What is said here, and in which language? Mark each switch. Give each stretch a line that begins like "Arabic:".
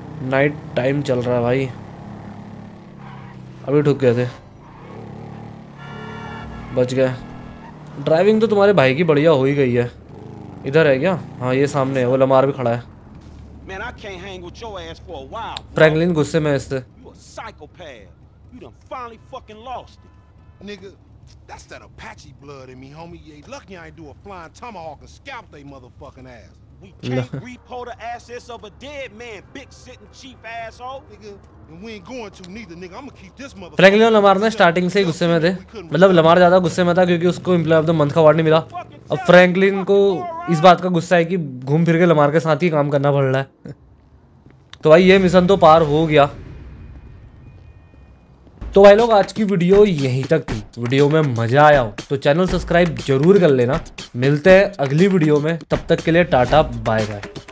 Hindi: Night time चल रहा है भाई, अभी ठुक गए थे, बच गए। ड्राइविंग तो तुम्हारे भाई की बढ़िया हो ही गई है। इधर है क्या? हाँ ये सामने है, वो लमार भी खड़ा है।
English: Man, I can't hang with your ass for a while.
Hindi: Franklin गुस्से में है इससे।
English: You a psychopath. You done finally fucking lost it. Nigga, that's that Apache blood in me, homie. You ain't lucky I ain't do a flying tomahawk and scalp they motherfucking ass. We can't repo the assets of a dead man, big sitting cheap asshole. Nigga, and we ain't going to neither, nigga. I'm gonna keep this motherfucker.
Hindi: Franklin और Lamar ने starting से ही गुस्से में थे। मतलब Lamar ज़्यादा गुस्से में था क्योंकि उसको employee of the month का award नहीं मिला। अब फ्रैंकलिन को इस बात का गुस्सा है कि घूम फिर के लमार के साथ ही काम करना पड़ रहा है। तो भाई ये मिशन तो पार हो गया। तो भाई लोग आज की वीडियो यहीं तक थी। वीडियो में मजा आया हो तो चैनल सब्सक्राइब जरूर कर लेना। मिलते हैं अगली वीडियो में, तब तक के लिए टाटा बाय बाय।